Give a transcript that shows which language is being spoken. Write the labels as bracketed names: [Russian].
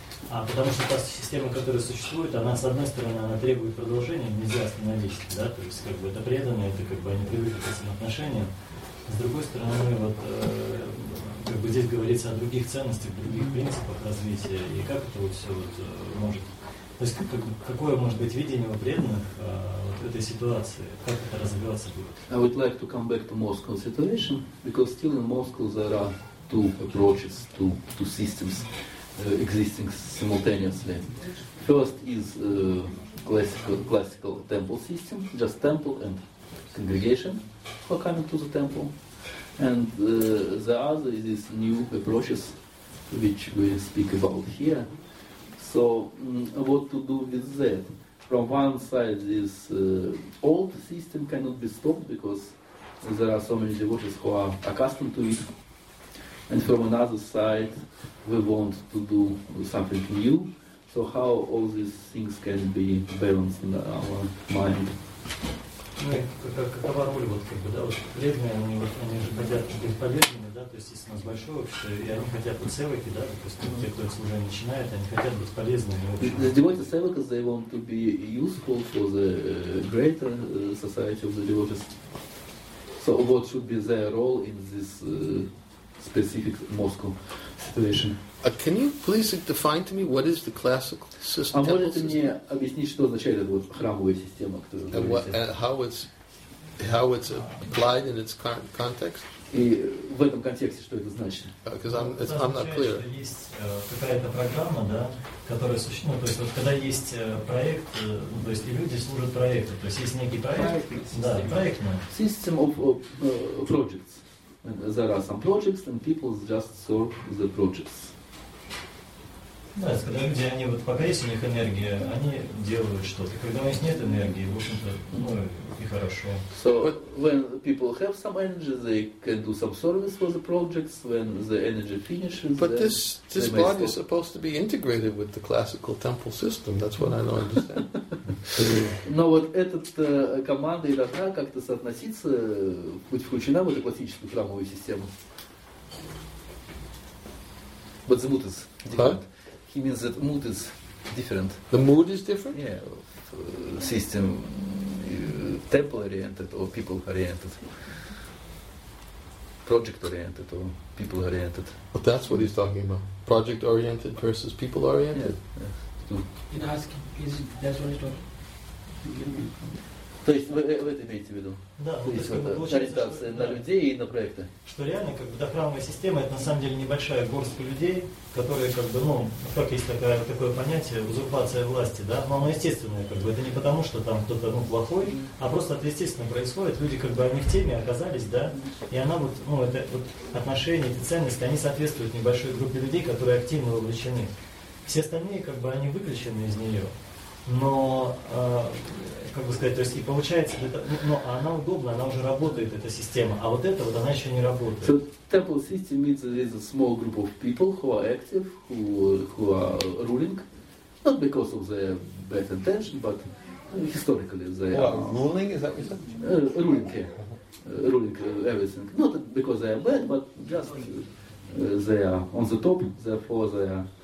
[Russian] А потому что та система, которая существует, она, с одной стороны, она требует продолжения, нельзя остановить, да, то есть как бы это преданные, это как бы они привыкли к этим отношениям. С другой стороны, вот как бы здесь говорится о других ценностях, других принципах развития, и как это вот все вот может. То есть как, какое может быть видение у преданных вот этой ситуации, как это развиваться будет? [English] I would like to come back to Moscow situation, because still in Moscow there are two approaches, two systems. Existing simultaneously. First is classical temple system, just temple and congregation for coming to the temple. And the other is this new approaches which we speak about here. So what to do with that? From one side, this old system cannot be stopped because there are so many devotees who are accustomed to it. And from another side, we want to do something new. So how all these things can be balanced in our mind? [Russian] Какова роль вот как бы, да, вот преданные, они же хотят быть полезными, да, то есть если у нас большое общество, и они хотят быть севаки, да, то есть те, кто это уже начинает, они хотят быть полезными. [English] The devotees севакас, they want to be useful for the greater society of the devotees. So what should be their role in this specific Moscow situation. Can you please define to me what is the classical system? [Russian] А можете мне объяснить, что означает эта вот храмовая система, которую вы говорите? [English] And how it's applied in its context? [Russian] И в этом контексте что это значит? [English] Because I'm not clear. [Russian] Что есть какая-то программа, да, которая существует. Ну, то есть вот когда есть проект, ну, то есть и люди служат проекту. То есть есть некий проект. Да, проектная. [English] System of projects. There are some projects and people just serve the projects. [Russian] Да, это когда люди, они вот пока есть у них энергия, они делают что-то. Когда у них нет энергии, в общем-то, ну и хорошо. [English] So when people have some energy, they can do some service for the projects. When the energy finishes, but this body is supposed to be integrated with the classical temple system. That's what I don't understand. [Russian] Но вот этот команда и должна как-то соотноситься, быть включена в эту классическую храмовую систему. [English] But the mood is different. He means that mood is different. The mood is different? Yeah. System temple-oriented or people-oriented. Project-oriented or people-oriented. Well, that's what he's talking about. Project-oriented versus people-oriented? Yeah. You ask, is it, that's what he's talking about? [Russian] То есть вы это имеете в виду? Да. То есть вот ориентация на людей и на проекты. Что реально, как бы, храмовая система это на самом деле небольшая горстка людей, которые, как бы, ну, как есть такое понятие, узурпация власти, да? Но оно естественное, как бы, это не потому, что там кто-то, ну, плохой, а просто это естественно происходит. Люди, как бы, они в теме оказались, да? И она вот, ну, это вот отношения, эти ценности, они соответствуют небольшой группе людей, которые активно вовлечены. Все остальные, как бы, они выключены из нее. Но, как бы сказать, то есть и получается, но она удобна, она уже работает, эта система, а вот эта вот она еще не работает. [English] So, temple system means there is a small group of people who are active, who are ruling, not because of their bad intention, but historically they are... Ruling, is that what you said? Ruling, yeah. Ruling everything. Not because they are bad, but just they are on the top, therefore they are...